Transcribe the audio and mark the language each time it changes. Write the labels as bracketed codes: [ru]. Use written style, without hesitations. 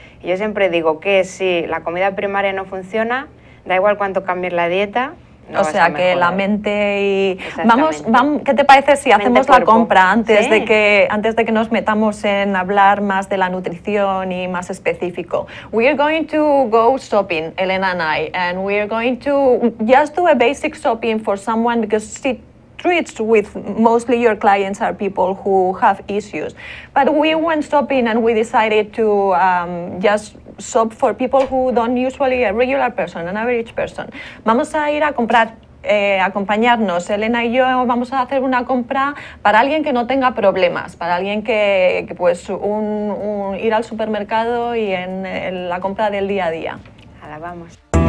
[es] Y yo siempre digo que si la comida primaria no funciona, da igual cuánto cambies la dieta. No, o sea, que la mente y... Vamos, ¿qué te parece si hacemos la compra antes de que nos metamos en hablar más de la nutrición y más específico? [en] We are going to go shopping, Elena and I, and we are going to just do a basic shopping for someone because she treats with mostly your clients are people who have issues. But we went shopping and we decided to just shop for people who don't usually, a regular person, an average person. [es] Vamos a ir a comprar, acompañarnos, Elena y yo vamos a hacer una compra para alguien que no tenga problemas, para alguien que pues un ir al supermercado y en la compra del día a día. Ahora vamos.